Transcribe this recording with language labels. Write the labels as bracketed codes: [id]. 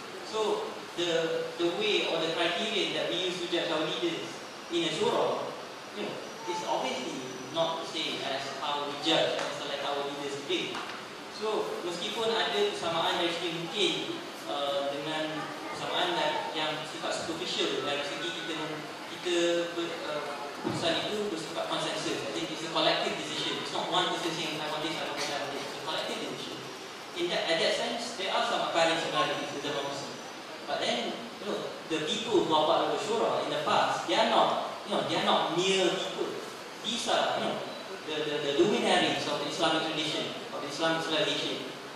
[en] So the way or the criteria that we use to judge our leaders in a surah, you know, is obviously not the same as how we judge and select our leaders today. [id] So meskipun ada kesamaan dari segi mungkin dengan kesamaan yang sifat superficial dari segi keputusan itu bersifat consensus. [en] I think it's a collective decision. It's not one decision, I want this, I want this, I want this. It's a collective decision. In that, at that sense, there are some apparent similarities with democracy. But then, you know, the people who are part of the surah in the past, they are not, you know, they are not mere people. These are, you know, the luminaries of the Islamic tradition, of the Islamic civilization.